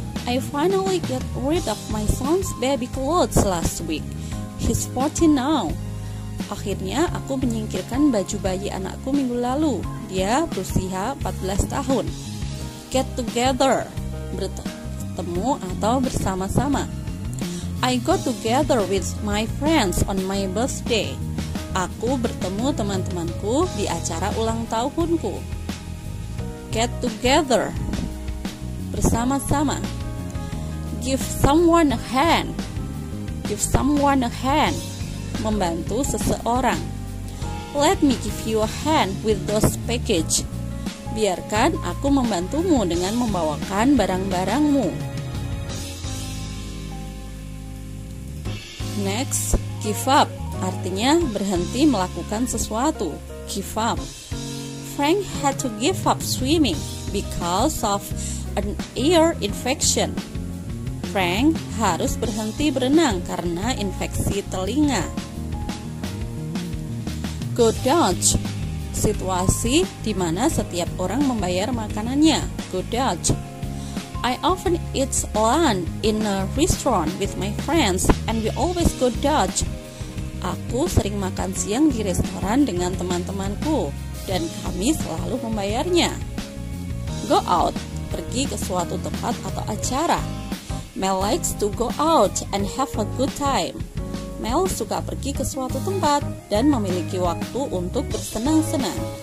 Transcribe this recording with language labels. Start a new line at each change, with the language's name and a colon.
English: I finally get rid of my son's baby clothes last week. He's 14 now.
Indonesian: Akhirnya aku menyingkirkan baju bayi anakku minggu lalu. Dia berusia 14 tahun.
English: Get together,
Indonesian: bertemu atau bersama-sama.
English: I got together with my friends on my birthday.
Indonesian: Aku bertemu teman-temanku di acara ulang tahunku.
English: Get together,
Indonesian: bersama-sama.
English: Give someone a hand. Give someone a hand.
Indonesian: Membantu seseorang.
English: Let me give you a hand with those package.
Indonesian: Biarkan aku membantumu dengan membawakan barang-barangmu.
English: Next, give up,
Indonesian: artinya berhenti melakukan sesuatu.
English: Give up. Frank had to give up swimming because of an ear infection.
Indonesian: Frank harus berhenti berenang karena infeksi telinga.
English: Go Dutch.
Indonesian: Situasi di mana setiap orang membayar makanannya.
English: Go Dutch. I often eat lunch in a restaurant with my friends and we always go Dutch.
Indonesian: Aku sering makan siang di restoran dengan teman-temanku dan kami selalu membayarnya.
English: Go out.
Indonesian: Pergi ke suatu tempat atau acara.
English: Mel likes to go out and have a good time.
Indonesian: Mel suka pergi ke suatu tempat dan memiliki waktu untuk bersenang-senang.